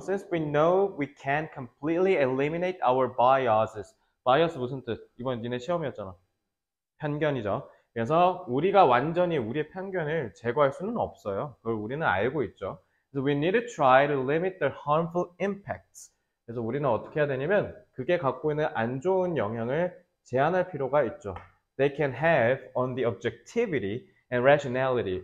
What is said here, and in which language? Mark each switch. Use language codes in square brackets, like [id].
[en] Since we know we can completely eliminate our biases. [ko] bias 무슨 뜻? 이번 니네 시험이었잖아. 편견이죠. 그래서 우리가 완전히 우리의 편견을 제거할 수는 없어요. 그걸 우리는 알고 있죠. [en] So we need to try to limit their harmful impacts. [ko] 그래서 우리는 어떻게 해야 되냐면 그게 갖고 있는 안 좋은 영향을 제한할 필요가 있죠. [en] They can have on the objectivity and rationality.